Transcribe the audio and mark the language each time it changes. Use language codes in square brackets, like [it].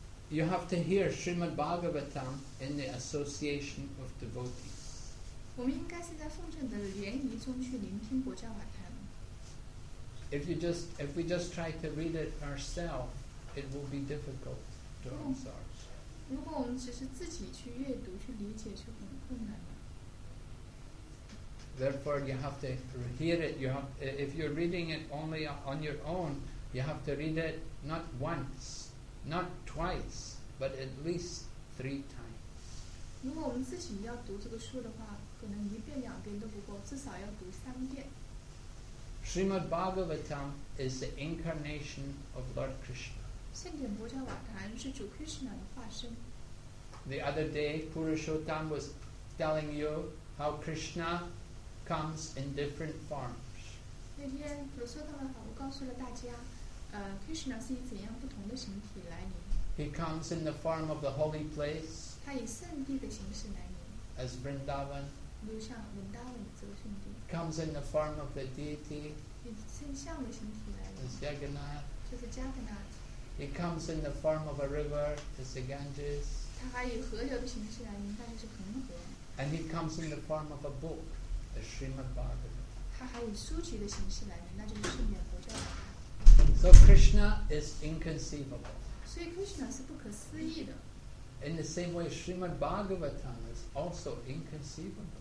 [en] You have to hear Srimad Bhagavatam in the association of devotees. [zh] 我们应该是在奉承的联谊中去聆听国家瓦坛。 [en] If we just try to read it ourselves, it will be difficult to answer. [zh] 如果我们只是自己去阅读去理解是很困难的。 [en] Therefore, you have to hear it. You have, if you're reading it only on your own, you have to read it not once, not twice, but at least 3 times. [zh] 如果我们自己要读这个书的话，可能一遍两遍都不够，至少要读三遍。 [en] Srimad Bhagavatam is the incarnation of Lord Krishna. [zh] 圣典波迦瓦坛是主 Krishna 的化身。 [en] The other day, Purushottam was telling you how Krishna comes in different forms. [zh] 那天罗梭塔法布告诉了大家，Krishna 是以怎样不同的形体来临。 [en] He comes in the form of the holy place. [zh] 他以圣地的形式来临。 [en] As Vrindavan. [zh] 如像文达文这个圣地。 [en] Comes in the form of the deity. [zh] 以圣像的形体来临。 [en] As Jagannath. [zh] 就是迦格纳。 [en] He comes in the form of a river, as the Ganges. [zh] 他还以河流的形式来临，那就是恒河。 [en] And he comes in the form of a book. The Srimad Bhagavatam. So Krishna is inconceivable. So Krishna is [zh] 不可思议的. [en] In the same way, Srimad Bhagavatam is also inconceivable.